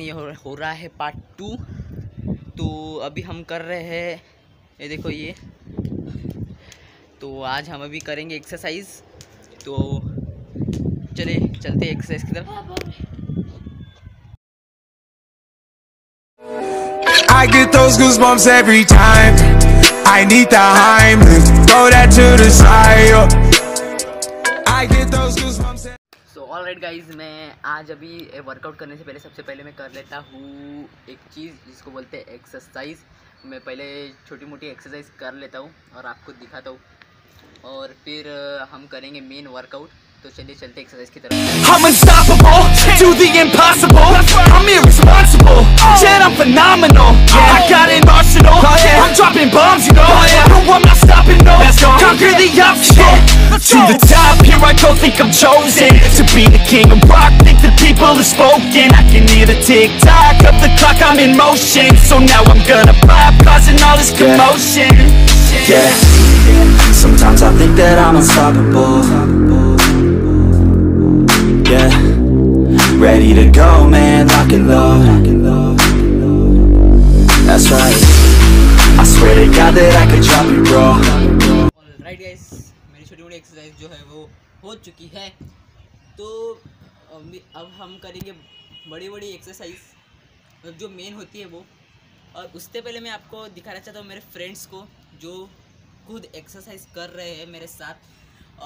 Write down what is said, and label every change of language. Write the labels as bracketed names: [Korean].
[Hindi] ये हो रहा है पार्ट टू। तो अभी हम कर रहे हैं, ये देखो ये, तो आज हम अभी करेंगे एक्सरसाइज। तो चले चलते एक्सरसाइज की तरफ। [English] I get those goosebumps every time. I need the Heimlich. Throw that to the side. Yo. I get those goosebumps. So all right guys, [Hindi] मैं आज अभी वर्कआउट करने से पहले सबसे पहले मैं कर लेता हूँ एक चीज जिसको बोलते हैं एक्सरसाइज। मैं पहले छोटी मोटी एक्सरसाइज कर लेता हूँ और आपको दिखाता हूँ, और फिर हम करेंगे मेन वर्कआउट। तो चलिए चलते एक्सरसाइज की तरफ। [English] I'm unstoppable, do the impossible, I'm irresponsible, yeah I'm phenomenal, yeah I got an arsenal, I'm dropping bombs you know, yeah no I'm not stopping no, conquer the obstacle, to the top here I go think I'm chosen, to be the king of rock think the people have spoken, I can hear the tick tock of the clock I'm in motion, so now I'm gonna pop causing all this commotion, yeah. Sometimes I think that I'm unstoppable. Yeah, ready to go, man. Lock and load. That's right. I swear to God that I could drop you, bro. Alright, guys. [Hindi] मेरी छोटी-मोटी exercise जो है वो हो चुकी है। तो अब हम करेंगे बड़ी-बड़ी एक्सरसाइज, मतलब जो मेन होती है वो। और उससे पहले मैं आपको दिखाना चाहता हूँ मेरे फ्रेंड्स को जो खुद एक्सरसाइज कर रहे हैं मेरे साथ।